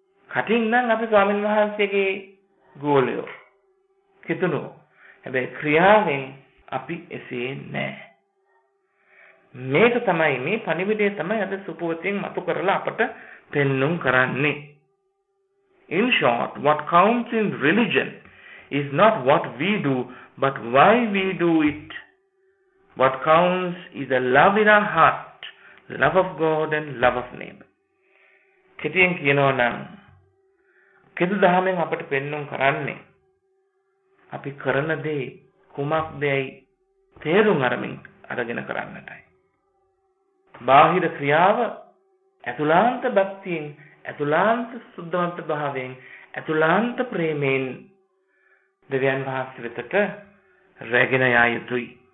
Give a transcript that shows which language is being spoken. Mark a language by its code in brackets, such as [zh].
[si] කටින් නම් අපි ස්වාමීන් වහන්සේගේ ගෝලයෝ කිතුනෝ, හැබැයි ක්‍රියාවෙන් අපි එසේ නෑ. මේක තමයි මේ පණිවිඩය තමයි අද සුපුවතින් මතු කරලා අපට පෙන්නුම් කරන්නේ. [en] In short, what counts in religion is not what we do, but why we do it. What counts is the love in our heart, love of God and love of neighbor. [si] කෙටියෙන් කියනවනම් කෙදු දහමෙන් අපට පෙන්නුම් කරන්නේ අපි කරන දේ කුමක් දෙයි තේරුම් අරමින් අරගෙන කරන්නටයි. බාහිර ක්‍රියාව ඇතුළාන්ත භක්තියෙන්, ඇතුළාන්ත සුද්ධවන්ත භාවයෙන්, ඇතුළාන්ත ප්‍රේමයෙන් දෙවියන් වහන්සේ වෙතට රැගෙන යා යුතුයි.